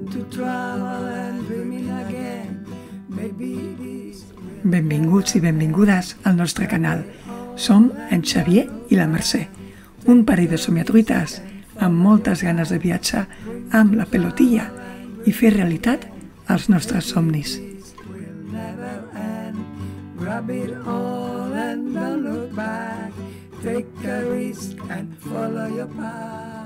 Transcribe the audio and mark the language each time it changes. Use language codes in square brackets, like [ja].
[en] travel and dreaming again. Maybe this... [ca] Benvinguts i benvingudes al nostre canal. Som en Xavier i la Mercè, un parell de somiatruites amb moltes ganes de viatjar amb la pelotilla i fer realitat els nostres somnis. [en] Grab it all and don't look back. Take a risk and follow your path.